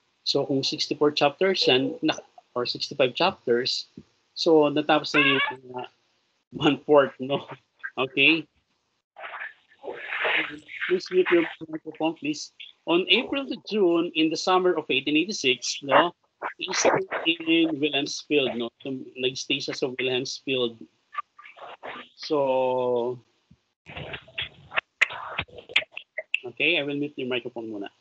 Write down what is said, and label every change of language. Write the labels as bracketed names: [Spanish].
[Filipino] So kung 64 chapters and, or 65 chapters, so natapos na yung one-fourth, no? Okay? [English] Please mute your microphone, please. On April to June, in the summer of 1886, no? He's in Wilhelmsfield, no? [Filipino] Nag-stay siya sa Wilhelmsfield. [English] So, okay, I will mute your microphone muna.